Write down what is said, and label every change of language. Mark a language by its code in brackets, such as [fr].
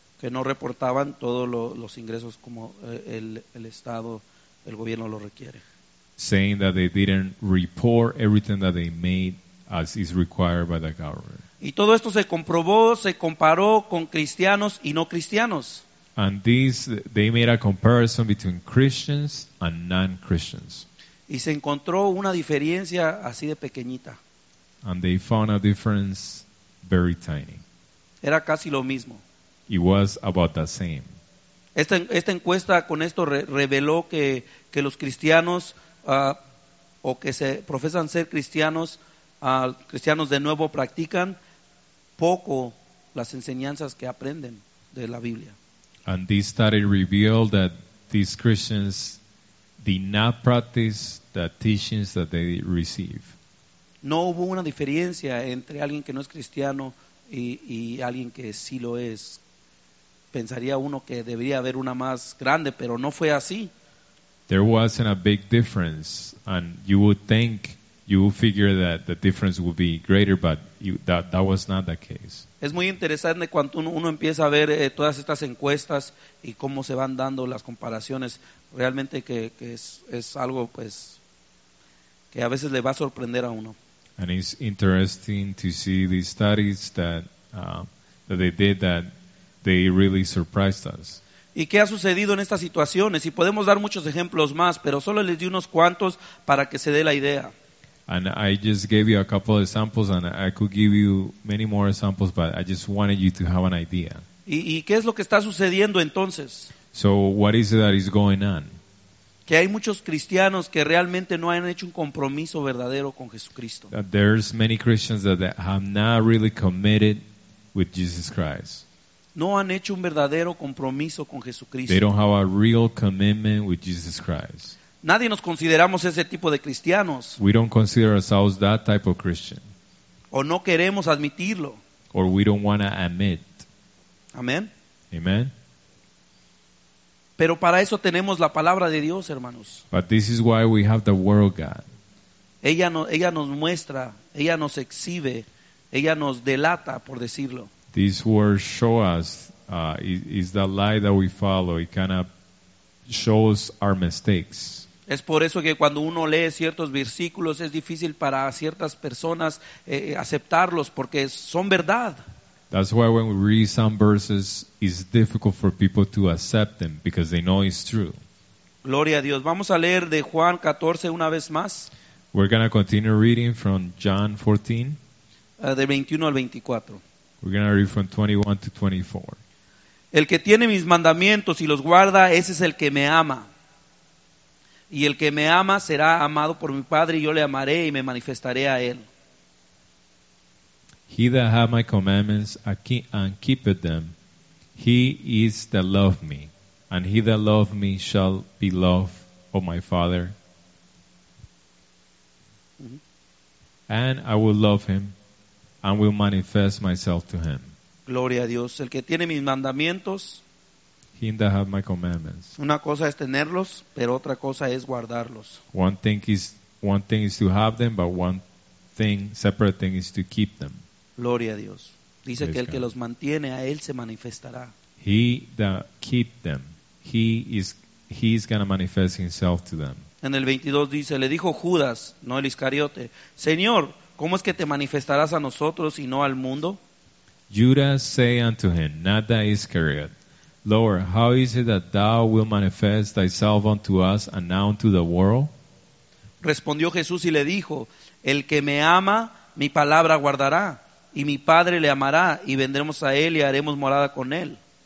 [es] Que no reportaban todos los ingresos como el Estado, el gobierno lo requiere. [en] Saying that they didn't report everything that they made as is required by the government. [es] Y todo esto se comprobó, se comparó con cristianos y no cristianos. [en] And these, they made a comparison between Christians and non-Christians. [es] Y se encontró una diferencia así de pequeñita. [en] And they found a difference very tiny. [es] Era casi lo mismo. [en] It was about the same. [es] Esta encuesta con esto reveló que los cristianos o que se profesan ser cristianos, cristianos de nuevo practican poco las enseñanzas que aprenden de la Biblia. [en] And this study revealed that these Christians did not practice the teachings that they receive. [es] No hubo una diferencia entre alguien que no es cristiano y alguien que sí lo es. Pensaría uno que debería haber una más grande, pero no fue así. [en] There wasn't a big difference, and you would think, you will figure that the difference will be greater, but that was not the case. [es] Es muy interesante cuando uno empieza a ver todas estas encuestas y cómo se van dando las comparaciones. Realmente que es algo pues que a veces le va a sorprender a uno. [en] And it's interesting to see these studies that they did that they really surprised us. [es] ¿Y qué ha sucedido en estas situaciones? Y podemos dar muchos ejemplos más, pero solo les di unos cuantos para que se dé la idea. [en] And I just gave you a couple of examples, and I could give you many more examples, but I just wanted you to have an idea. [es] ¿Y qué es lo que está sucediendo entonces? [en] So what is it that is going on? [es] Que hay muchos cristianos que realmente no han hecho un compromiso verdadero con Jesucristo. [en] That there's many Christians that have not really committed with Jesus Christ. [es] no han hecho un verdadero compromiso con Jesucristo. [en] They don't have a real commitment with Jesus Christ. [es] Nadie nos consideramos ese tipo de cristianos. [en] We don't consider ourselves that type of Christian. [es] O no queremos admitirlo. [en] Or we don't want to admit. [es] Amén. [en] Amen. [es] Pero para eso tenemos la palabra de Dios, hermanos. [en] But this is why we have the Word of God. [es] Ella nos muestra, ella nos exhibe, ella nos delata, por decirlo. [en] This word show us is the light that we follow. It kind of shows our mistakes. [es] Es por eso que cuando uno lee ciertos versículos es difícil para ciertas personas aceptarlos porque son verdad. [en] That's why when we read some verses, it's difficult for people to accept them because they know it's true. [es] Gloria a Dios. Vamos a leer de Juan 14 una vez más. [en] We're going to continue reading from John 14. [es] De 21 al 24. [en] We're going to read from 21 to 24. [es] El que tiene mis mandamientos y los guarda, ese es el que me ama. Y el que me ama será amado por mi Padre y yo le amaré y me manifestaré a él. [en] He that hath my commandments and keepeth them, he is that loved me. And he that loved me shall be loved of my Father. And I will love him and will manifest myself to him. [es] Gloria a Dios. El que tiene mis mandamientos. [en] He that hath my commandments. [es] Una cosa es tenerlos, pero otra cosa es guardarlos. [en] One thing is to have them, but separate thing is to keep them. [es] Gloria a Dios. Dice que el que los mantiene, a él se manifestará. [en] He that keep them, he is going to manifest himself to them. [es] En el 22 dice, le dijo Judas, no el Iscariote, Señor, ¿cómo es que te manifestarás a nosotros y no al mundo? [en] Judas say unto him, not the Iscariot, Lord, how is it that thou will manifest thyself unto us and not unto the world? [es] Respondió Jesús y le dijo, el que me ama, mi palabra guardará. Y mi Padre le amará, y vendremos a él y haremos morada con él.